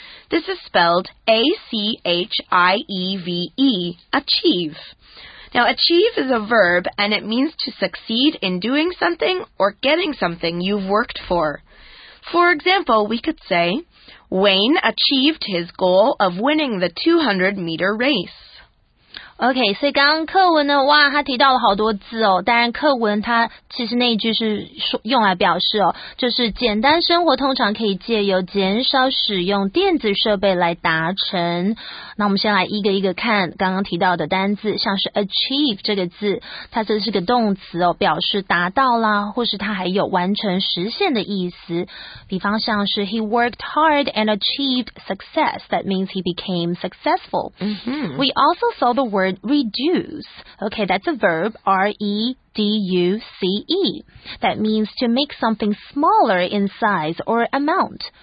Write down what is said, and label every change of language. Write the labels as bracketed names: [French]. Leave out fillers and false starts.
[English] This is spelled A-C-H-I-E-V-E, achieve. Now, achieve is a verb, and it means to succeed in doing something or getting something you've worked for. For example, we could say, Wayne achieved his goal of winning the 200-meter race. [Chinese] OK, 所以刚刚课文呢，哇，他提到了好多字哦。当然课文他其实那一句是说用来表示哦，就是简单生活通常可以借由减少使用电子设备来达成。那我们先来一个一个看刚刚提到的单字，像是 achieve 这个字，它这是个动词哦，表示达到啦，或是它还有完成实现的意思。比方像是 [English] he worked hard and achieved success, that means he became successful.、 Mm-hmm. We also saw the word reduce. Okay, that's a verb, R-E-D-U-C-E. That means to make something smaller in size or amount.